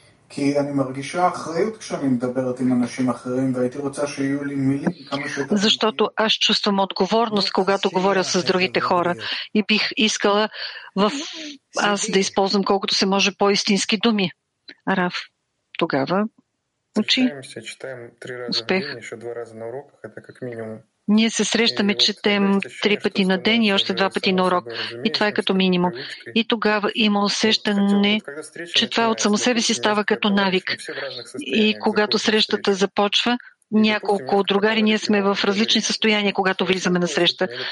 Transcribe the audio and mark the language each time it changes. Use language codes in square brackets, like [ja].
[he] כי אני מרגישה אחריות כשאני מדברת עם אנשים אחרים, והייתי רוצה שיהיו לי מילים כמה שיותר. [bg] Защото аз чувствам отговорност, когато говоря с другите хора. И бих искала аз да използвам колкото се може по-истински думи. Раф, тогава учи. [ru] Четаем три раза в ден, еще два раза на уроках, это как минимум. [bg] Ние се срещаме, четем три пъти на ден и още два пъти на урок. И това е като минимум. И тогава има усещане, че това от само себе си става като навик. И когато срещата започва, няколко другари, ние сме в различни състояния, когато влизаме на среща.